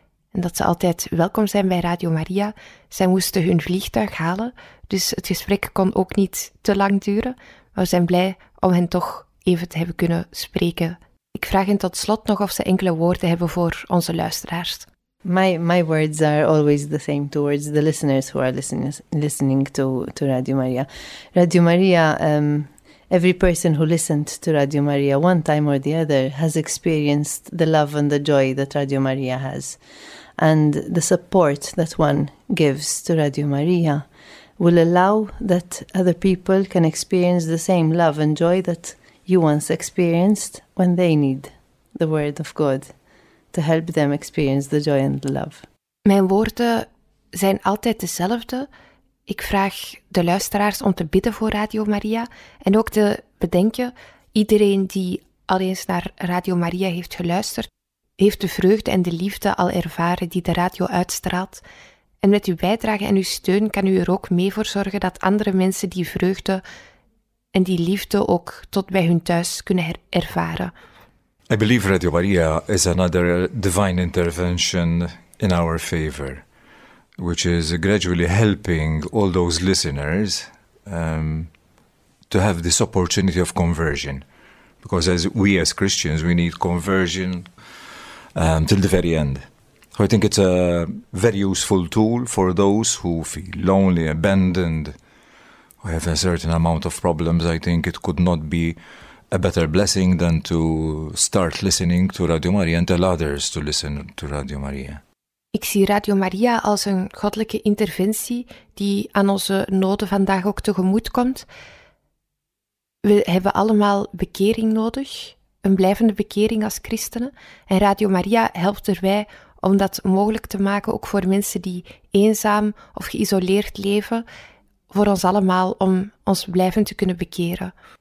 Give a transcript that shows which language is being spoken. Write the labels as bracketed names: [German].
[Dutch] En dat ze altijd welkom zijn bij Radio Maria. Zij moesten hun vliegtuig halen, dus het gesprek kon ook niet te lang duren. Maar we zijn blij om hen toch even te hebben kunnen spreken. Ik vraag hen tot slot nog of ze enkele woorden hebben voor onze luisteraars. [English] My words are always the same towards the listeners who are listening to Radio Maria. Radio Maria every person who listened to Radio Maria one time or the other has experienced the love and the joy that Radio Maria has. And the support that one gives to Radio Maria will allow that other people can experience the same love and joy that you once experienced when they need the word of God to help them experience the joy and the love. [Dutch] Mijn woorden zijn altijd dezelfde. Ik vraag de luisteraars om te bidden voor Radio Maria en ook te bedenken, iedereen die al eens naar Radio Maria heeft geluisterd, heeft de vreugde en de liefde al ervaren die de radio uitstraalt. En met uw bijdrage en uw steun kan u er ook mee voor zorgen dat andere mensen die vreugde en die liefde ook tot bij hun thuis kunnen ervaren. [English] I believe Radio Maria is another divine intervention in our favor, which is gradually helping all those listeners to have this opportunity of conversion. Because as Christians, we need conversion till the very end. So I think it's a very useful tool for those who feel lonely, abandoned, who have a certain amount of problems. I think it could not be a better blessing than to start listening to Radio Maria and tell others to listen to Radio Maria. [Dutch] Ik zie Radio Maria als een goddelijke interventie die aan onze noden vandaag ook tegemoet komt. We hebben allemaal bekering nodig, een blijvende bekering als christenen. En Radio Maria helpt erbij om dat mogelijk te maken, ook voor mensen die eenzaam of geïsoleerd leven, voor ons allemaal om ons blijvend te kunnen bekeren.